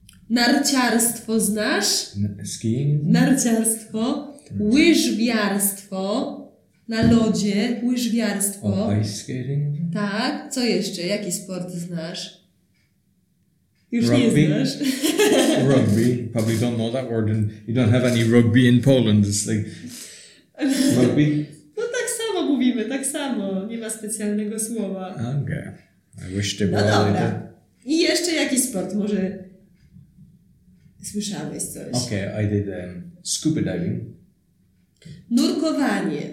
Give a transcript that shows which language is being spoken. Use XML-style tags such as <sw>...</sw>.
<pl>Narciarstwo znasz?</pl> <en>Skiing?</en> <pl>Narciarstwo. Łyżwiarstwo. Na lodzie. Łyżwiarstwo.</pl> <en>Ice skating?</en> <pl>Tak. Co jeszcze? Jaki sport znasz? Już rugby? Nie znasz.</pl> <en>Rugby. You probably don't know that word and you don't have any rugby in Poland. It's like rugby.</en> <pl>No tak samo mówimy, tak samo. Nie ma specjalnego słowa.</pl> <en>Okay. I wish there were.</en> <pl>No dobra. I jeszcze jakiś sport może słyszałeś coś.</pl> <en>Okay, I did scuba diving.</en> <pl>Nurkowanie.</pl>